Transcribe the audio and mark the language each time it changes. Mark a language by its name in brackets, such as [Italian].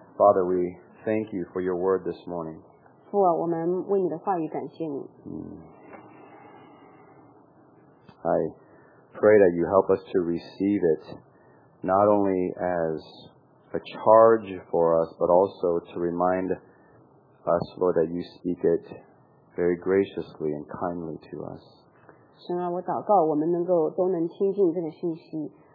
[English] Father, we thank you for your word this morning. [Chinese] 父啊，我们为你的话语感谢你。 [English] I pray that you help us to receive it not only as a charge for us, but also to remind us, Lord, that you speak it very graciously and kindly to us. [Chinese] 神啊，我祷告我们都能听进这个信息。